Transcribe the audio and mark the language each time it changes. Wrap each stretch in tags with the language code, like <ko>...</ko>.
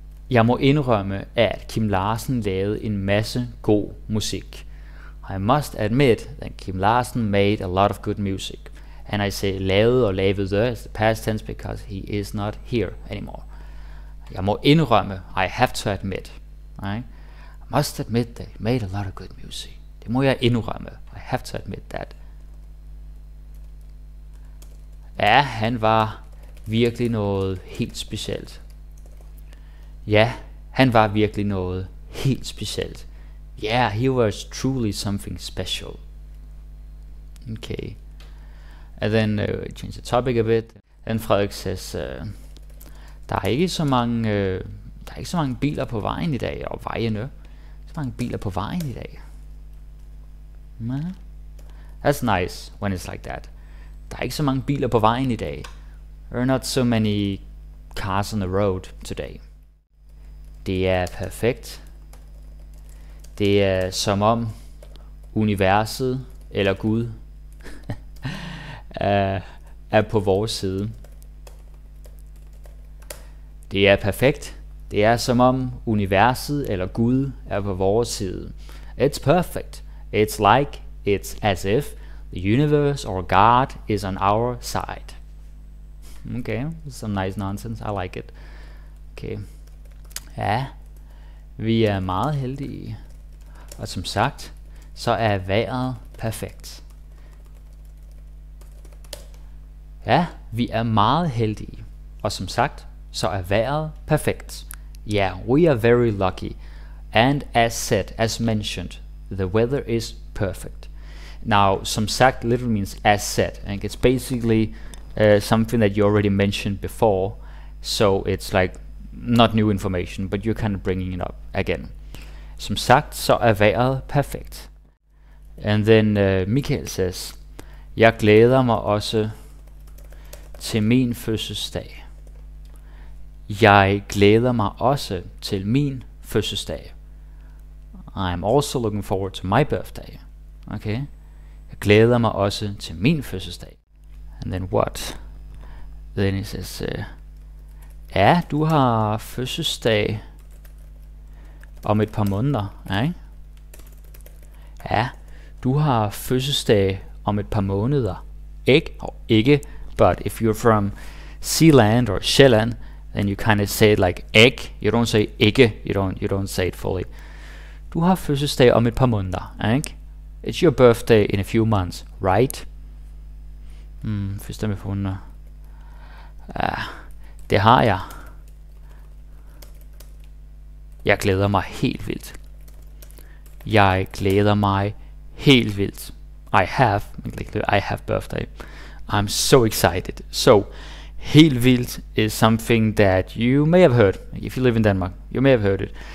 <da>Jeg må indrømme, at Kim Larsen lavede en masse god musik.</da> <en>I must admit that Kim Larsen made a lot of good music. And I say lavede og lavede as the past tense because he is not here anymore.</en> <da>Jeg må indrømme,</da> <en>I have to admit. Right? I must admit that he made a lot of good music.</en> <da>Det må jeg indrømme.</da> <en>I have to admit that.</en> <da>Ja, han var virkelig noget helt specielt. Ja, han var virkelig noget helt specielt.</da> <en>Yeah, he was truly something special. Okay. And then change the topic a bit. And Frederik says,</en> <da>der er ikke så mange biler på vejen i dag, og vejene. Så mange biler på vejen i dag.</da> <en>That's nice when it's like that.</en> <da>Der er ikke så mange biler på vejen i dag.</da> <en>There are not so many cars on the road today.</en> <da>Det er perfekt. Det er som om universet eller Gud er på vores side. Det er perfekt. Det er som om universet eller Gud er på vores side.</da> <en>It's perfect. It's like, it's as if the universe or God is on our side. Okay, some nice nonsense. I like it. Okay.</en> <da>Ja, vi er meget heldige. Og som sagt, så er vejret perfekt. Ja, vi er meget heldige. Og som sagt, så er vejret perfekt.</da> <en>Yeah, we are very lucky. And as said, as mentioned, the weather is perfect. Now, som sagt literally means as said. And it's basically something that you already mentioned before. So it's like not new information, but you're kind of bringing it up again.</en> <da>Som sagt, så er vejret perfekt.</da> <en>And then Michael says,</en> <da>jeg glæder mig også til min fødselsdag. Jeg glæder mig også til min fødselsdag.</da> <en>I'm also looking forward to my birthday. Okay.</en> <da>Jeg glæder mig også til min fødselsdag.</da> <en>And then what? Then he says,</en> <da>ja, du har fødselsdag om et par måneder, ikke? Ja, du har fødselsdag om et par måneder.</da> <en>Ikke og ikke, but if you're from Sealand or Sjælland, then you kind of say it like ikke. You don't say ikke. You don't say it fully.</en> <da>Du har fødselsdag om et par måneder, ikke?</da> <en>It's your birthday in a few months, right?</en> <da>Fødselsdag om et par måneder. Ja, det har jeg. Jeg glæder mig helt vildt. Jeg glæder mig helt vildt.</da> <en>I have birthday. I'm so excited. So, helt vildt is something that you may have heard. If you live in Denmark, you may have heard it.</en>